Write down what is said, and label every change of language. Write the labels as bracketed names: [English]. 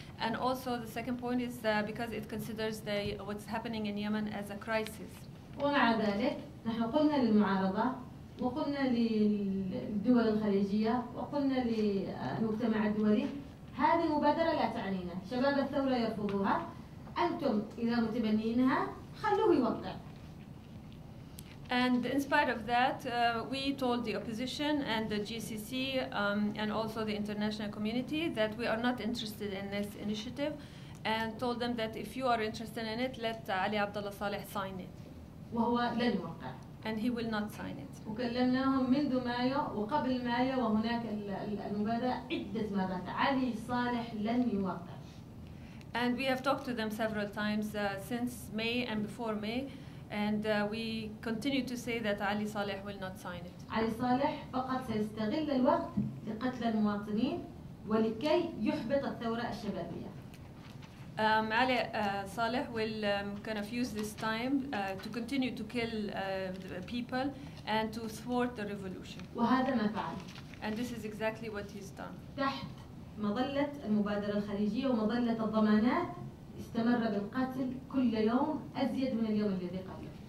[English] And also, the second point is because it considers what's happening in Yemen as a crisis. [Arabic] ومع ذلك نحن قلنا للمعارضة وقلنا للدول الخليجية وقلنا للمجتمع الدولي. هذه مبادرة لا تعنينا. شباب الثورة يرفضوها. أنتم إذا متبنينها خلوه يوقع. [English] And in spite of that, we told the opposition and the GCC and also the international community that we are not interested in this initiative, and told them that if you are interested in it, let Ali Abdullah Saleh sign it. [Arabic] وهو لن يوقع. [English] And he will not sign it. [Arabic] وكلمناهم منذ مايو وقبل مايو وهناك المبادرة عدة مرات. علي صالح لن يوقع. [English] And we have talked to them several times since May and before May, and we continue to say that Ali Saleh will not sign it. [Arabic] علي صالح فقط سيستغل الوقت لقتل المواطنين ولكي يحبط الثورة الشبابية. [English] Ali Saleh will kind of use this time to continue to kill the people and to thwart the revolution. [Arabic] وهذا ما فعل. [English] And this is exactly what he's done. [Arabic] تحت مظلة المبادرة الخليجية ومظلة الضمانات استمر بالقتل كل يوم أزيد من اليوم الذي قبله.